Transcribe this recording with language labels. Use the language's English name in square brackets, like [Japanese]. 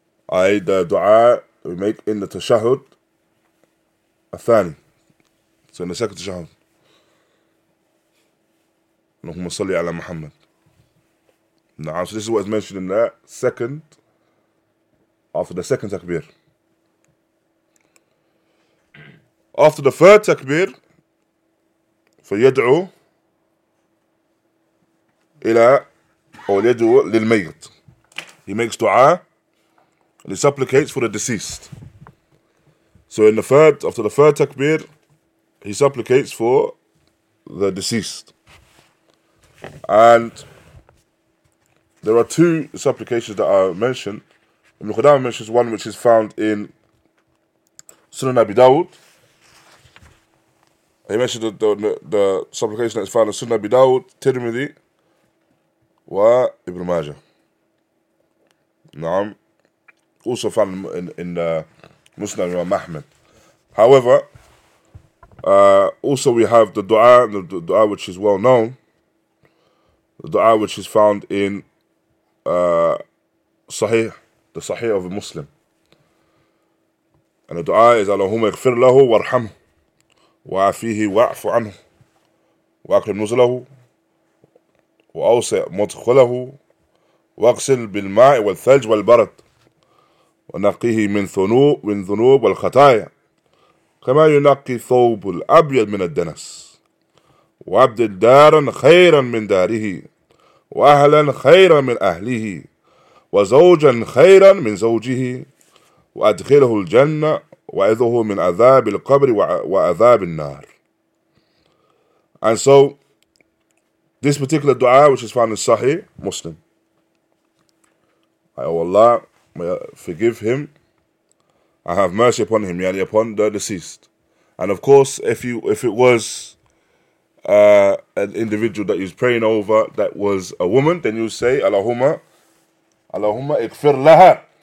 [English] I the dua we make in the tashahud, athani. So in the second tashahud, [Arabic] Allahumma salli ala Muhammad. [English] Now, so this is what is mentioned in the second, after the second takbir. After the third takbir, fayad'u, [Arabic] إلى أو يدعو للميت. [English] He makes dua and he supplicates for the deceased. So in the third, after the third takbir, he supplicates for the deceased. And there are two supplications that are mentioned. Ibn Qudamah mentions one which is found in Sunan Abi Dawud. He mentioned the supplication that is found in Sunan Abi Dawud, Tirmidhi, wa Ibn Majah. Naam. Also found in the Muslim Imam Ahmed. However, also we have the dua which is well known, the dua which is found in Sahih, the Sahih of a Muslim. And the dua is [Arabic] Allahumma ighfir lahu warhamhu wa'afihi wa'afu anhu wa'akrim nuzlahu وأوسئ مدخله واغسل بالماء والثلج والبرد ونقيه من ذنوب والخطايا كما ينقي ثوب الأبيض من الدنس وأبدل دارا خيرا من داره وأهلا خيرا من أهله وزوجا خيرا من زوجه وأدخله الجنة وأعذه من عذاب القبر وعذاب النار. [English] And so this particular dua, which is found in Sahih, Muslim. I owe Allah, may I forgive him. I have mercy upon him, yani upon the deceased. And of course, if it was an individual that he's praying over that was a woman, then you say, [Arabic] Allahumma ikfir laha.